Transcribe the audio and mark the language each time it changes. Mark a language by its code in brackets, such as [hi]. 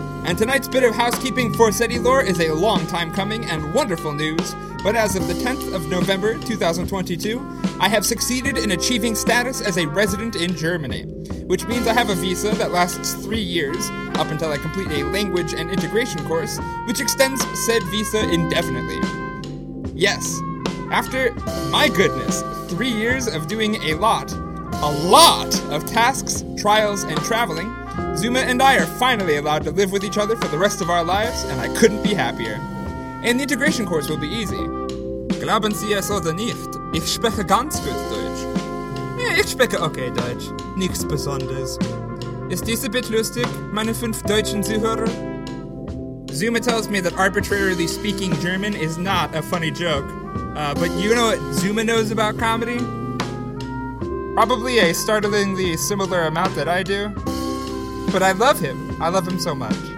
[en] And tonight's bit of housekeeping for SETI lore is a long time coming and wonderful news, but as of the 10th of November, 2022, I have succeeded in achieving status as a resident in Germany, which means I have a visa that lasts 3 years, up until I complete a language and integration course, which extends said visa indefinitely. Yes, after, my goodness, 3 years of doing a lot of tasks, trials, and traveling, Zuma and I are finally allowed to live with each other for the rest of our lives, and I couldn't be happier. And the integration course will be easy. [de] Glauben Sie es oder nicht, ich spreche ganz gut Deutsch. Ich spreche okay Deutsch, nichts Besonderes. Ist dies ein bisschen lustig, meine fünf deutschen Zuhörer? [en] Zuma tells me that arbitrarily speaking German is not a funny joke, but you know what Zuma knows about comedy? Probably a startlingly similar amount that I do. But I love him. I love him so much.